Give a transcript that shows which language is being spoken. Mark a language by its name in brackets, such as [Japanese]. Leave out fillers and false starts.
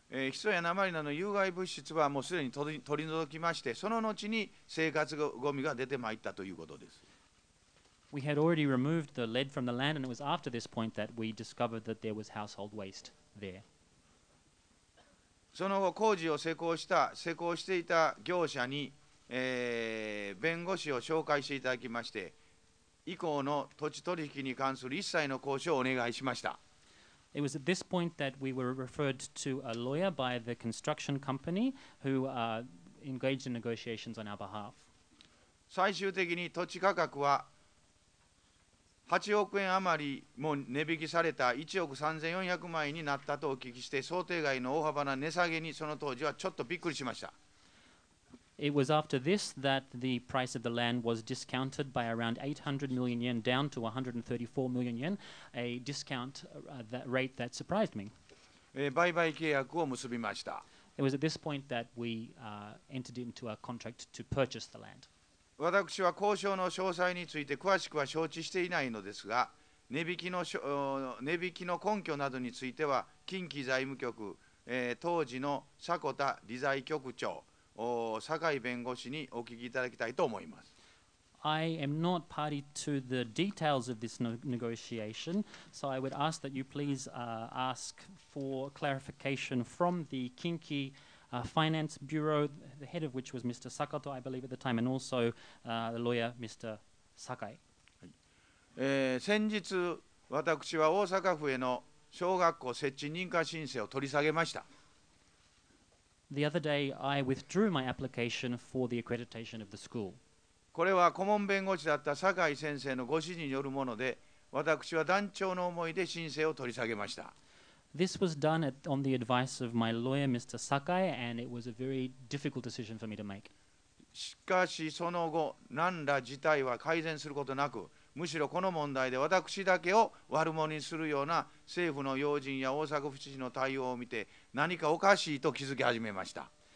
[Japanese] ヒ素や鉛などの有害物質はもうすでに取り除きまして、その後に生活ごみが出てまいったということです。 [English] We had already removed the lead from the land, and it was after this point that we discovered that there was household waste there. [Japanese] その後、工事を施工していた業者に、弁護士を紹介していただきまして、以降の土地取引に関する一切の交渉をお願いしました。 [English] It was at this point that we were referred to a lawyer by the construction company who engaged in negotiations on our behalf. [Japanese] 最終的に土地価格は8億円余りも値引きされた1億3400万円になったとお聞きして、想定外の大幅な値下げにその当時はちょっとびっくりしました。 [English] It was after this that the price of the land was discounted by around 800 million yen down to 134 million yen, a discount that rate that surprised me. [Japanese] 売買契約を結びました。 [English] It was at this point that we entered into a contract to purchase the land. [Japanese] 私は交渉の詳細について詳しくは承知していないのですが、値引きの根拠などについては近畿財務局、当時の迫田理財局長、酒井弁護士にお聞きいただきたいと思います。 [English] I am not party to the details of this negotiation, so I would ask that you please ask for clarification from the Kinki Finance Bureau, the head of which was Mr. Sakato, I believe, at the time, and also the lawyer, Mr. Sakai. [Japanese] 先日、私は大阪府への小学校設置認可申請を取り下げました。 [English] The other day, I withdrew my application for the accreditation of the school. [Japanese] これは顧問弁護士だった酒井先生のご指示によるもので、私は断腸の思いで申請を取り下げました。 [English] This was done on the advice of my lawyer, Mr. Sakai, and it was a very difficult decision for me to make. [Japanese] しかしその後、何ら事態は改善することなく、むしろこの問題で私だけを悪者にするような政府の要人や大阪府知事の対応を見て何かおかしいと気づき始めました。